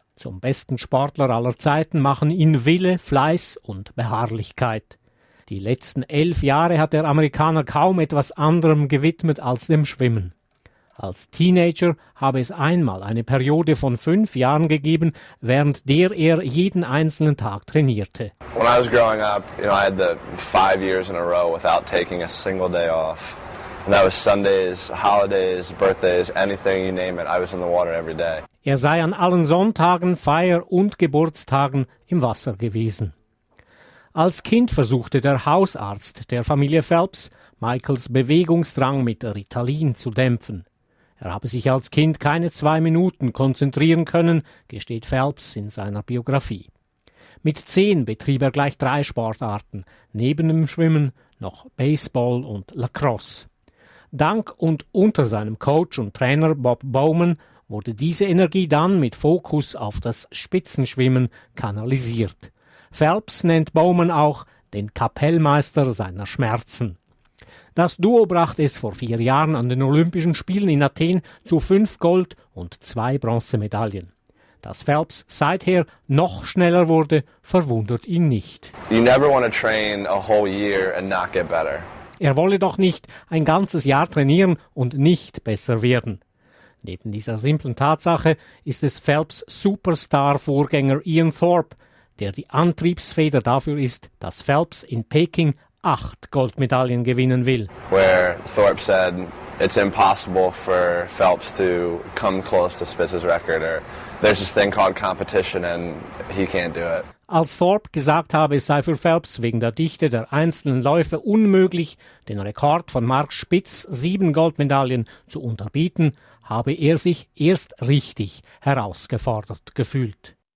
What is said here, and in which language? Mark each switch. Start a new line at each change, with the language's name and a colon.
German: Zum besten Sportler aller Zeiten machen ihn Wille, Fleiß und Beharrlichkeit. Die letzten 11 Jahre hat der Amerikaner kaum etwas anderem gewidmet als dem Schwimmen. Als Teenager habe es einmal eine Periode von 5 Jahren gegeben, während der er jeden einzelnen Tag trainierte.
English: When I was growing up, you know, I had the 5 years in a row without taking a single day off. And that was Sundays, holidays, birthdays, anything you name it. I was in the water every day.
German: Er sei an allen Sonntagen, Feier- und Geburtstagen im Wasser gewesen. Als Kind versuchte der Hausarzt der Familie Phelps, Michaels Bewegungsdrang mit Ritalin zu dämpfen. Er habe sich als Kind keine 2 Minuten konzentrieren können, gesteht Phelps in seiner Biografie. Mit 10 betrieb er gleich 3 Sportarten, neben dem Schwimmen noch Baseball und Lacrosse. Dank und unter seinem Coach und Trainer Bob Bowman wurde diese Energie dann mit Fokus auf das Spitzenschwimmen kanalisiert. Phelps nennt Bowman auch den Kapellmeister seiner Schmerzen. Das Duo brachte es vor 4 Jahren an den Olympischen Spielen in Athen zu 5 Gold- und 2 Bronzemedaillen. Dass Phelps seither noch schneller wurde, verwundert ihn nicht.
English: You never want to train a whole year and not get better.
German: Er wolle doch nicht ein ganzes Jahr trainieren und nicht besser werden. Neben dieser simplen Tatsache ist es Phelps Superstar-Vorgänger Ian Thorpe, der die Antriebsfeder dafür ist, dass Phelps in Peking 8 Goldmedaillen gewinnen will.
English: Where Thorpe said, it's impossible for Phelps to come close to Spitz's record or there's this thing called competition and he can't do it.
German: Als Thorpe gesagt habe, es sei für Phelps wegen der Dichte der einzelnen Läufe unmöglich, den Rekord von Mark Spitz, 7 Goldmedaillen zu unterbieten, habe er sich erst richtig herausgefordert gefühlt.